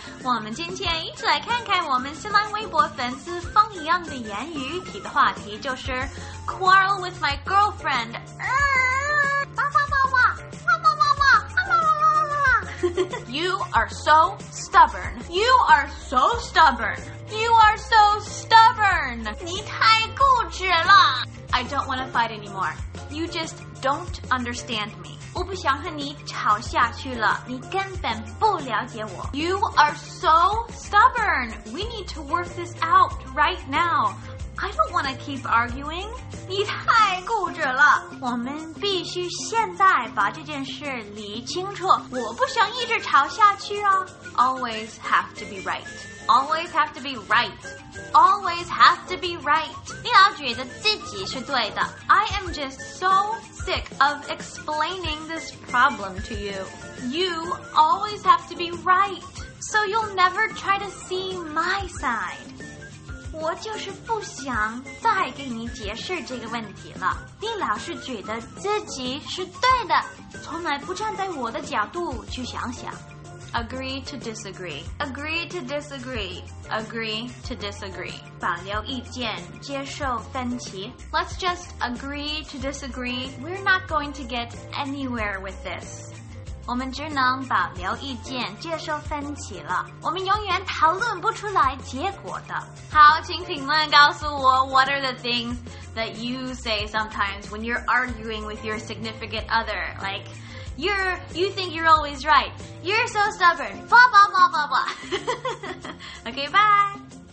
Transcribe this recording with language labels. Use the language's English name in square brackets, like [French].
[Chinese] 我们今天一起来看看我们新浪微博粉丝风一样的言语，提的话题就是 [English] Quarrel with my girlfriend。哇哇哇哇哇哇哇哇哇哇哇 You are so stubborn. You are so stubborn. You are so stubborn. [Chinese] 你太固执了。 [English] I don't want to fight anymore. You just don't understand me. [Chinese] 我不想和你吵下去了，你根本不了解我。 [English] You are so stubborn. We need to work this out right now. I don't want to keep arguing. [Chinese] 你太固执了。我们必须现在把这件事理清楚。我不想一直吵下去啊。 [English] Always have to be right. Always have to be right. Always have to be right. [Chinese] 你要觉得自己是对的。 [English] I am just so sick of explaining this problem to you. You always have to be right. So you'll never try to see my side. [Chinese] 我就是不想再给你解释这个问题了。你老是觉得自己是对的，从来不站在我的角度去想想。 [English] Agree to disagree. Agree to disagree. Agree to disagree. [Chinese] 保留意见，接受分歧。 [English] Let's just agree to disagree. We're not going to get anywhere with this. [Chinese] 我们只能保留意见，接受分歧了。我们永远讨论不出来结果的。好，请评论告诉我 [English] what are the things that you say sometimes when you're arguing with your significant other, like... You think you're always right. You're so stubborn. Blah, blah, blah, blah, blah. Okay, bye.